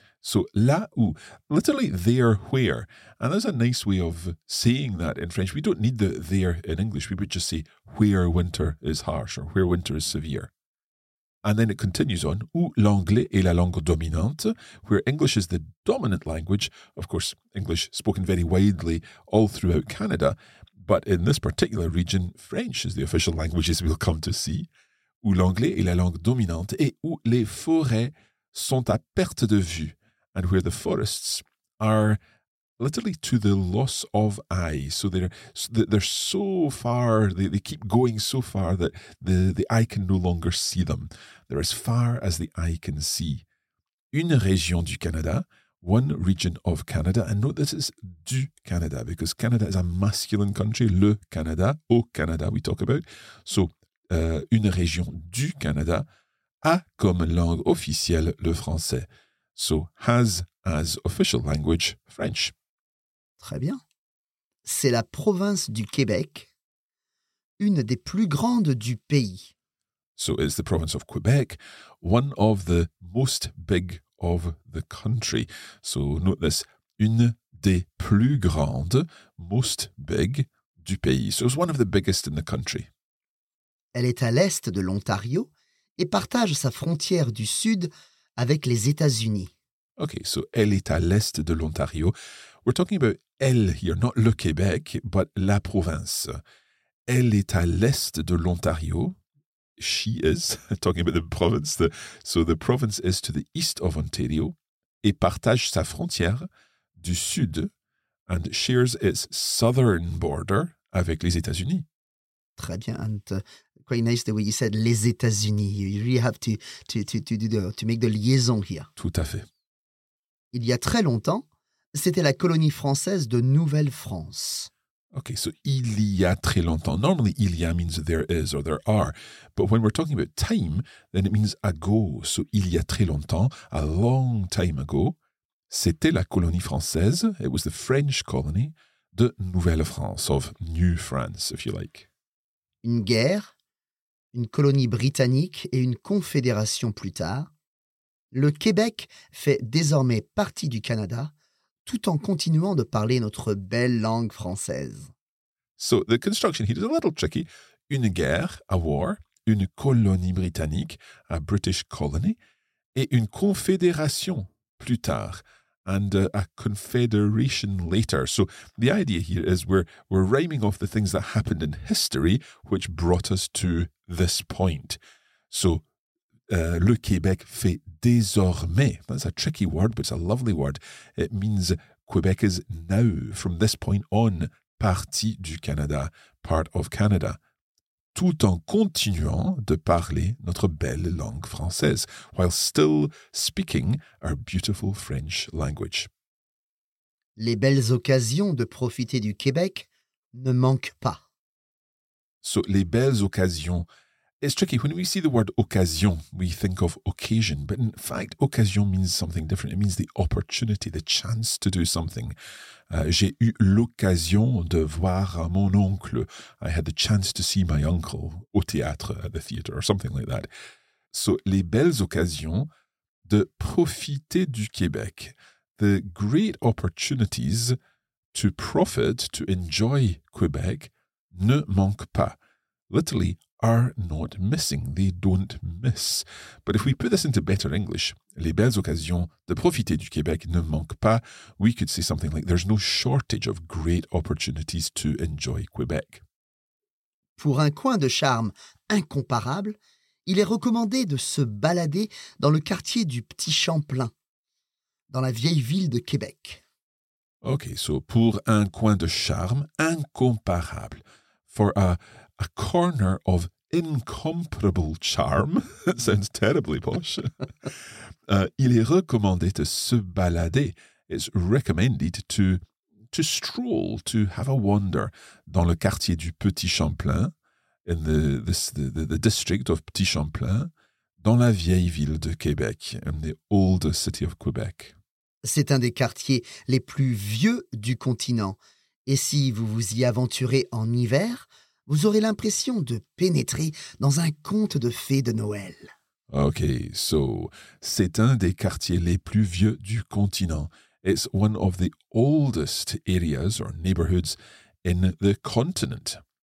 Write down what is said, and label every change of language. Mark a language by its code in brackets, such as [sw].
[en] So, [fr] là où, [en] literally there where, and there's a nice way of saying that in French. We don't need the there in English, we would just say where winter is harsh or where winter is severe. And then it continues on, [fr] où l'anglais est la langue dominante, [en] where English is the dominant language, of course, English spoken very widely all throughout Canada. But in this particular region, French is the official language, as we'll come to see. [fr] Où l'anglais est la langue dominante et où les forêts sont à perte de vue. [en] And where the forests are literally to the loss of eye. So they're so far, they keep going so far that the eye can no longer see them. They're as far as the eye can see. [fr] Une région du Canada. [en] One region of Canada, and note this is du Canada, because Canada is a masculine country, [fr] le Canada, au Canada [en] we talk about. [fr] So, une région du Canada a comme langue officielle le français. [en] So, has as official language French. [fr] Très bien. C'est la province du Québec, une des plus grandes du pays. [en] So, it's the province of Quebec, one of the most big of the country. So note this, [fr] une des plus grandes, [en] most big, [fr] du pays. [en] So it's one of the biggest in the country. [fr] Elle est à l'est de l'Ontario et partage sa frontière du sud avec les États-Unis. [en] Okay, so [fr] elle est à l'est de l'Ontario. [en] We're talking about elle here, not [fr] le Québec, [en] but [fr] la province. Elle est à l'est de l'Ontario. [en] She is talking about the province. The province is to the east of Ontario [fr] et partage sa frontière du sud [en] and shares its southern border [fr] avec les États-Unis. Très bien. [en] And quite nice the way you said les États-Unis. You really have to make the liaison here. [fr] Tout à fait. Il y a très longtemps, c'était la colonie française de Nouvelle-France. [en] Okay, so [fr] il y a très longtemps. [en] Normally, [fr] il y a [en] means there is or there are. But when we're talking about time, then it means ago. So [fr] il y a très longtemps, [en] a long time ago, [fr] c'était la colonie française, [en] it was the French colony, [fr] de Nouvelle-France, [en] of New France, if you like. [fr] Une guerre, une colonie britannique et une confédération plus tard. Le Québec fait désormais partie du Canada, tout en continuant de parler notre belle langue française. [en] So, the construction here is a little tricky. [fr] Une guerre, [en] a war, [fr] une colonie britannique, [en] a British colony, [fr] et une confédération plus tard, [en] and a confederation later. So, the idea here is we're rhyming off the things that happened in history which brought us to this point. [fr] So, le Québec fait désormais. [en] That's a tricky word, but it's a lovely word. It means Quebec is now, from this point on, [fr] partie du Canada, [en] part of Canada, [fr] tout en continuant de parler notre belle langue française, [en] while still speaking our beautiful French language. [fr] Les belles occasions de profiter du Québec ne manquent pas. [en] So, [fr] les belles occasions. [en] It's tricky. When we see the word occasion, we think of occasion. But in fact, occasion means something different. It means the opportunity, the chance to do something. [fr] J'ai eu l'occasion de voir mon oncle. [en] I had the chance to see my uncle [fr] au théâtre, [en] at the theater, or something like that. [fr] So, les belles occasions de profiter du Québec. [en] The great opportunities to profit, to enjoy Quebec, [fr] ne manquent pas. [en] Literally, are not missing. They don't miss. But if we put this into better English, [fr] les belles occasions de profiter du Québec ne manquent pas, [en] we could say something like, there's no shortage of great opportunities to enjoy Quebec. [fr] Pour un coin de charme incomparable, il est recommandé de se balader dans le quartier du Petit Champlain, dans la vieille ville de Québec. [en] OK, so [fr] pour un coin de charme incomparable, [en] for a corner of incomparable charm, that sounds terribly posh, [fr] il est recommandé de se balader, [en] it's recommended to stroll, to have a wander [fr] dans le quartier du Petit Champlain, [en] in the district of Petit Champlain, [fr] dans la vieille ville de Québec, [en] in the old city of Quebec. [fr] C'est un des quartiers les plus vieux du continent. Et si vous vous y aventurez en hiver, vous aurez l'impression de pénétrer dans un conte de fées de Noël. [en] OK, so, [fr] c'est un des quartiers les plus vieux du continent. [en] It's one of the oldest areas or neighborhoods in the continent.